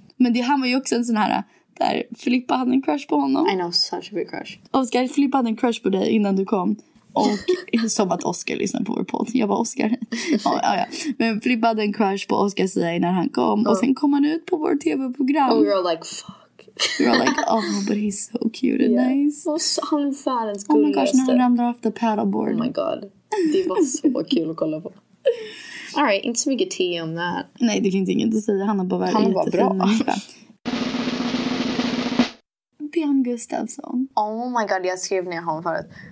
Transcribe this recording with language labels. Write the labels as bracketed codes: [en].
[sv] Men det, han var ju också en sån här där Filippa hade en crush på honom. [en] I know, such a big crush. [sv] Oscar, Filippa hade en crush på dig innan du kom. Och som att Oscar lyssnade på vår podd. Jag bara, Oscar. Ja. Men Filippa hade en crush på Oscar Sia när han kom. Oh. Och sen kom han ut på vår tv-program. [en] Oh, we were like, fuck. We were like, oh, but he's so cute and yeah. nice. [sv] Och han är fanens gulligaste. [en] Oh my gosh, [sv] när han ramlade [en] off the paddleboard. Oh my god. [sv] Det var så kul att kolla på. [en] All right, [sv] inte så mycket te om det. Nej, det finns inget att säga. Han har bara varit jättefin. Han var bra. Björn Gustafsson. [en] Oh my god, [sv] jag skrev ner honom förut.